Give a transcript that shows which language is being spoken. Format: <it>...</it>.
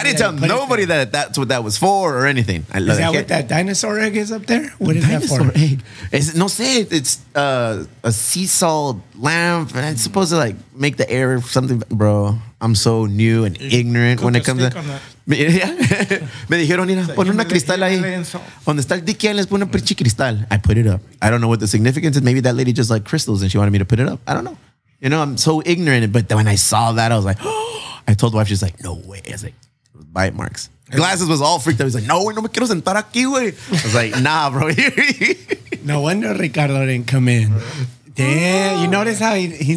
<en>I didn't tell nobody that that's what that was for or anything. Is that what that dinosaur egg is up there? What is that for?</en> <es>No sé.</es> <en>It's a sea salt lamp. And it's supposed to, like, make the air something... Bro, I'm so new and ignorant when it comes to that.</en> <es>Me dijeron, mira, pon una cristal ahí. Donde está el dique, les pone un pinche cristal.</es> <en>I put it up. I don't know what the significance is. Maybe that lady just liked crystals and she wanted me to put it up. I don't know. You know, I'm so ignorant. But when I saw that, I was like, I told the wife, she's like, no way. I was like, bite marks. Glasses was all freaked out. He's like, no,</en> <es>no me quiero sentar aquí, güey.</es> <en>I was like, nah, bro. No wonder Ricardo didn't come in. Damn, you notice how he's</en>